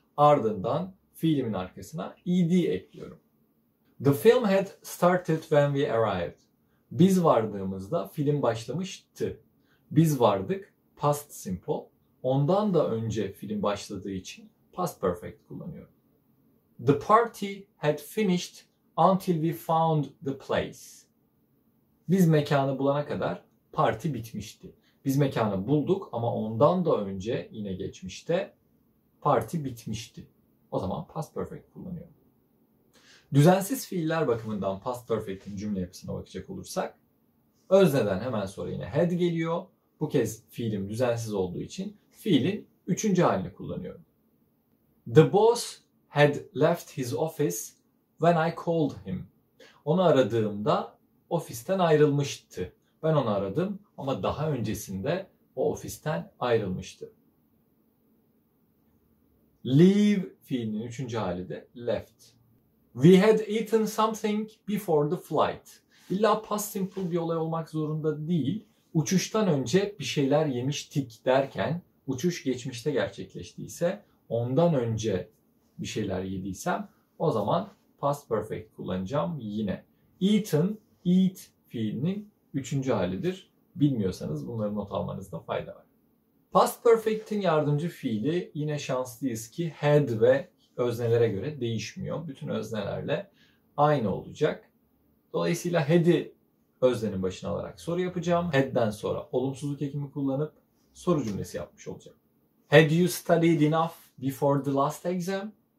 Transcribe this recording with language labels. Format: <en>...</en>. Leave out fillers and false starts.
<tr>Ardından fiilimin arkasına ed ekliyorum.</tr> <en>The film had started when we arrived.</en> <tr>Biz vardığımızda film başlamıştı. Biz vardık, past simple. Ondan da önce film başladığı için past perfect kullanıyorum.</tr> <en>The party had finished until we found the place.</en> <tr>Biz mekanı bulana kadar parti bitmişti. Biz mekanı bulduk ama ondan da önce yine geçmişte parti bitmişti. O zaman past perfect kullanıyorum. Düzensiz fiiller bakımından past perfect'in cümle yapısına bakacak olursak özneden hemen sonra yine had geliyor. Bu kez fiilim düzensiz olduğu için fiilin üçüncü halini kullanıyorum.</tr> <en>The boss had left his office when I called him.</en> <tr>Onu aradığımda ofisten ayrılmıştı. Ben onu aradım ama daha öncesinde o ofisten ayrılmıştı. Leave fiilinin üçüncü hali de left.</tr> <en>We had eaten something before the flight.</en> <tr>İlla past simple bir olay olmak zorunda değil. Uçuştan önce bir şeyler yemiştik derken, uçuş geçmişte gerçekleştiyse, ondan önce bir şeyler yediysem, o zaman past perfect kullanacağım yine. Eaten, eat fiilinin üçüncü halidir. Bilmiyorsanız bunları not almanızda fayda var. Past perfect'in yardımcı fiili yine şanslıyız ki had ve öznelere göre değişmiyor. Bütün öznelerle aynı olacak. Dolayısıyla had'i öznenin başına alarak soru yapacağım. Had'den sonra olumsuzluk ekimi kullanıp soru cümlesi yapmış olacağım.</tr> <en>Had you studied enough before the last exam?</en>